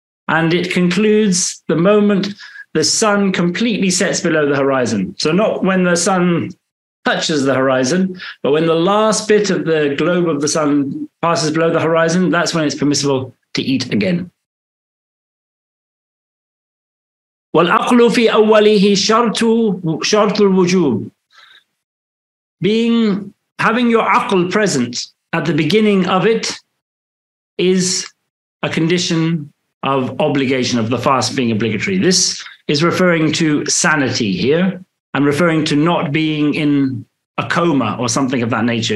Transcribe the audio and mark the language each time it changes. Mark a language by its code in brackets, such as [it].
[en] And it concludes the moment the sun completely sets below the horizon. So not when the sun touches the horizon, but when the last bit of the globe of the sun passes below the horizon, that's when it's permissible to eat again. [ar] والأقل في أوله شرط الوجوب. [en] Having your aql present at the beginning of it is a condition of obligation, of the fast being obligatory. This is referring to sanity here. I'm referring to not being in a coma or something of that nature.